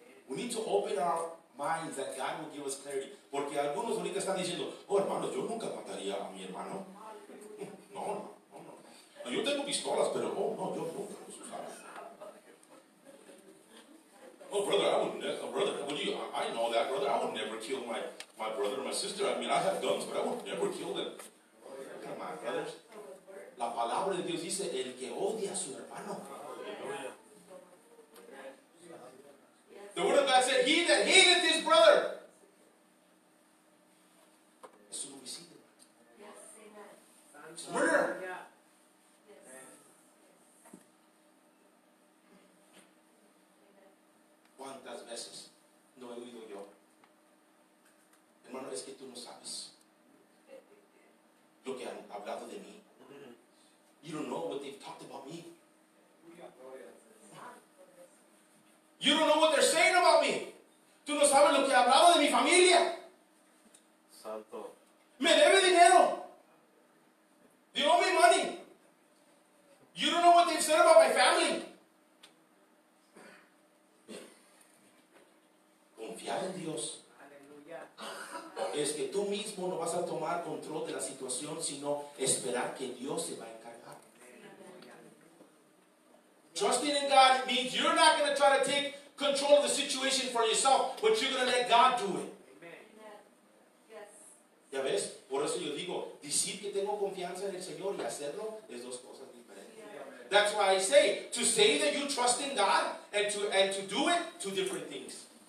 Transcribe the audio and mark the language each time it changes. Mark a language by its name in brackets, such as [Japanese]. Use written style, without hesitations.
[English] We need to open our minds that God will give us clarity. [Spanish] Porque algunos ahorita están diciendo, oh hermanos, yo nunca mataría a mi hermano. No. Yo tengo pistolas, pero oh no, yo nunca los usaré. [English] Oh brother, I know that brother. I would never kill my brother or my sister. I mean, I have guns, but I would never kill them. Come on, brothers. [Spanish] La palabra de Dios dice, el que odia a su hermano. [English] The word of God said, he that hateth his brother is a homicide. Yes, murder. Yeah. [Spanish] ¿Cuántas veces no he oído yo? Hermano, es que tú no sabes lo que han hablado de mí. [English] You don't know what they've talked about me. You don't know what they're saying about me. [Spanish] Tú no sabes lo que ha hablado de mi familia. Santo. Me debe dinero. [English] They owe me money. You don't know what they've said about my family. [Spanish] Confiar en Dios. Aleluya. Es que tú mismo no vas a tomar control de la situación, sino esperar que Dios se va a encargar. [English] Trusting in God means you're not going to try to take control of the situation for yourself, but you're going to let God do it. Amen. Yes. [Spanish] Ya ves, por eso yo digo, decir que tengo confianza en el Señor y hacerlo es dos cosas diferentes. [English] Yeah. That's why I say, to say that you trust in God and to do it, two different things.